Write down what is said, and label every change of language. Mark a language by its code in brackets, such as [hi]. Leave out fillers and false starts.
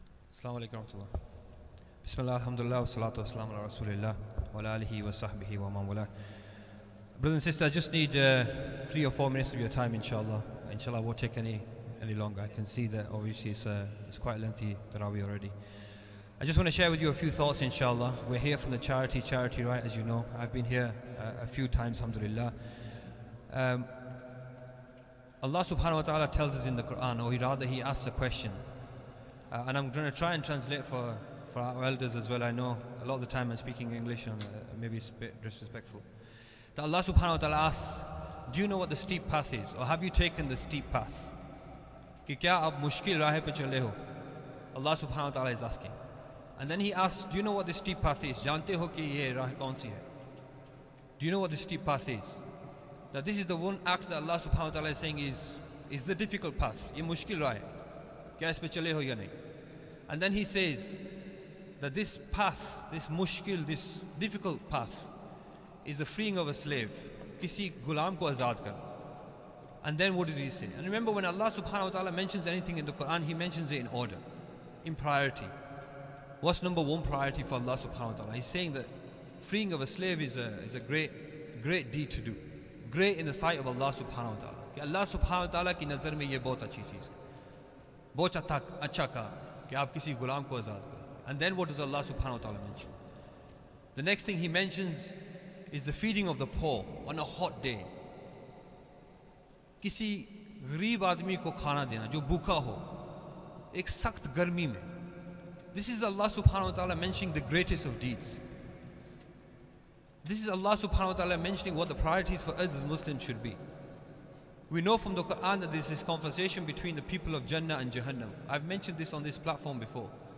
[ar] السلام عليكم ورحمة الله. بسم الله الحمد لله والصلاة والسلام على رسول الله وعلى آله وصحبه ومن والاه. [en] Brothers and sisters, I just need three or four minutes of your time, inshallah. Inshallah, won't take any longer. I can see that obviously it's quite lengthy tarawih already. I just want to share with you a few thoughts, inshallah. We're here from the charity, right? As you know, I've been here a few times, alhamdulillah. Allah subhanahu wa ta'ala tells us in the Quran, or rather, He asks a question, and I'm going to try and translate for our elders as well. I know a lot of the time I'm speaking English and maybe it's a bit disrespectful. That Allah subhanahu wa ta'ala asks, do you know what the steep path is? Or have you taken the steep path? [ur] کہ کیا اب مشکل راہے پہ چلے ہو؟ [en] Allah subhanahu wa ta'ala is asking. And then He asks, do you know what the steep path is? [ur] جانتے ہو کہ یہ راہے کون سی ہے؟ [en] Do you know what the steep path is? Now this is the one act that Allah subhanahu wa ta'ala is saying is the difficult path. [ur] یہ مشکل راہے۔ کیا اس پہ چلے ہو یا نہیں؟ [en] And then He says, that this path, this mushkil, this difficult path, is the freeing of a slave. [ur] کسی غلام کو آزاد کر۔ [en] And then what does He say? And remember, when Allah subhanahu wa ta'ala mentions anything in the Quran, He mentions it in order, in priority. What's number one priority for Allah subhanahu wa ta'ala? He's saying that freeing of a slave is a great, great deed to do. Great in the sight of Allah subhanahu wa ta'ala. [ur] کہ اللہ سبحانہ و تعالیٰ کی نظر میں یہ بہت اچھی چیز ہے۔ بہت اچھا کام کہ آپ کسی غلام کو آزاد کر۔ [en] And then what does Allah subhanahu wa ta'ala mention? The next thing He mentions is the feeding of the poor on a hot day. [ur] کسی غریب آدمی کو کھانا دینا، جو بھوکا ہو، ایک سخت گرمی میں۔ [en] This is Allah subhanahu wa ta'ala mentioning the greatest of deeds. This is Allah subhanahu wa ta'ala mentioning what the priorities for us as Muslims should be. We know from the Quran that this is conversation between the people of Jannah and Jahannam. I've mentioned this on this platform before.